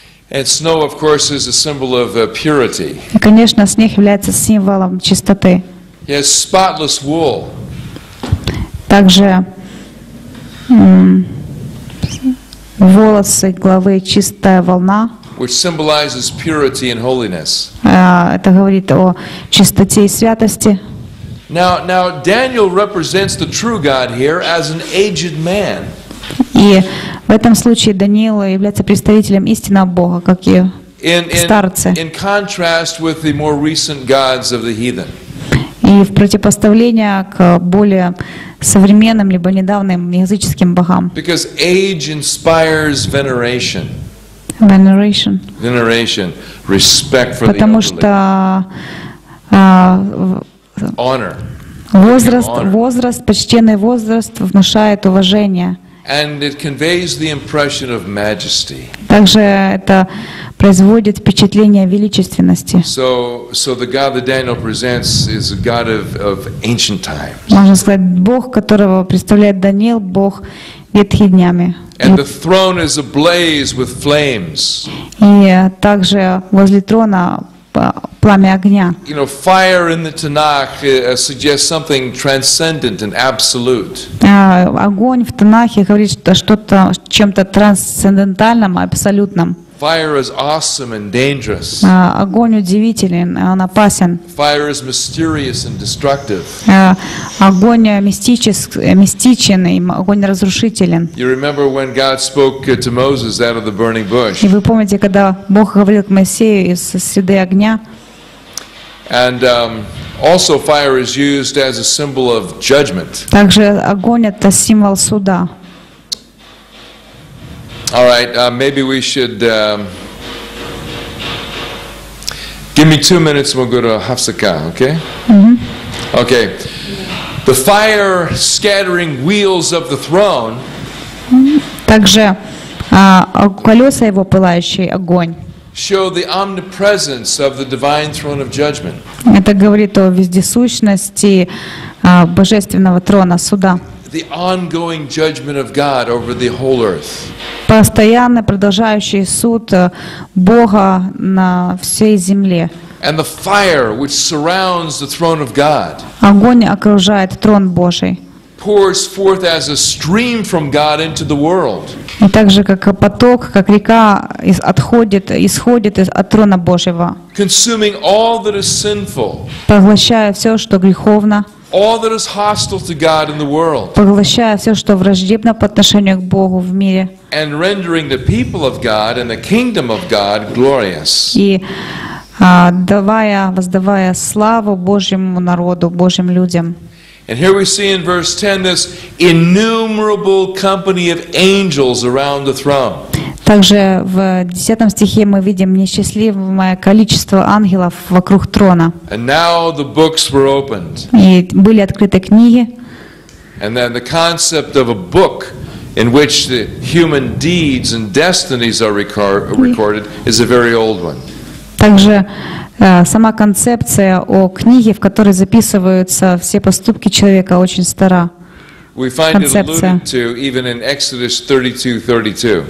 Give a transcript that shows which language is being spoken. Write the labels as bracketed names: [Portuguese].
[English] And snow, of course, is a symbol of purity. [Russian] И, конечно, снег является символом чистоты. [English] He has spotless wool. [Russian] Также волосы главы чистая волна. [English] Which symbolizes purity and holiness. [Russian] Это говорит о чистоте и святости. [English] Now Daniel represents the true God here as an aged man. [Russian] И в этом случае Даниил является представителем истинного Бога, как и старцы. [English] In contrast with the more recent gods of the heathen. [Russian] И в противопоставление к более современным либо недавним языческим богам. [English] Because age inspires veneration. Veneration. Veneration, respect for [Russian] Потому [English] the elderly. [Russian] Honor. Возраст, почтенный возраст внушает уважение. [English] And it conveys the impression of majesty. [Russian] Также это производит впечатление величественности. [English] So the God that Daniel presents is a God of ancient times. [Russian] Можно сказать, Бог, которого представляет Даниил, Бог ветхих дней. [English] And the throne is ablaze with flames. [Russian] И также возле трона пламя огня. [English] You know, fire in the Tanakh suggests something transcendent and absolute. [Russian] Огонь в Танахе говорит что-то чем-то трансцендентальном, абсолютном. [English] Fire is awesome and dangerous. [Russian] Огонь удивителен, он опасен. [English] Fire is mysterious and destructive. [Russian] Огонь мистичен, огонь разрушителен. [English] You remember when God spoke to Moses out of the burning bush? [Russian] И вы помните, когда Бог говорил к Моисею из среды огня? [English] And also fire is used as a symbol of judgment. [Russian] Также огонь это символ суда. [English] All right, maybe we should give me 2 minutes and we'll go to Hafsaka, okay? Mm-hmm. Okay. The fire scattering wheels of the throne. [Russian] Также колеса его пылающие огонь. [English] Show the omnipresence of the divine throne of judgment. [Russian] Это говорит о вездесущности божественного трона суда. [English] The ongoing judgment of God over the whole earth. [Russian] Постоянный продолжающий суд Бога на всей земле. [English] And the fire which surrounds the throne of God. [Russian] Огонь окружает трон Божий. [English] Pours forth as a stream from God into the world. [Russian] И также как поток, как река исходит от трона Божьего. [English] Consuming all that is sinful. [Russian] Поглощая все, что греховно. [English] All that is hostile to God in the world. [Russian] Поглощая все, что враждебно по отношению к Богу в мире. [English] And rendering the people of God and the kingdom of God glorious. [Russian] И воздавая славу Божьему народу, Божьим людям. [English] And here we see in verse 10 this innumerable company of angels around the throne. [Russian] Также в 10 стихе мы видим несчастливое количество ангелов вокруг трона. [English] And now the books were opened. [Russian] И были открыты книги. [English] And then the concept of a book in which the human deeds and destinies are recorded is a very old one. [Russian] Также сама концепция о книге, в которой записываются все поступки человека, очень стара. [English] We find it alluded to even in Exodus 32:32.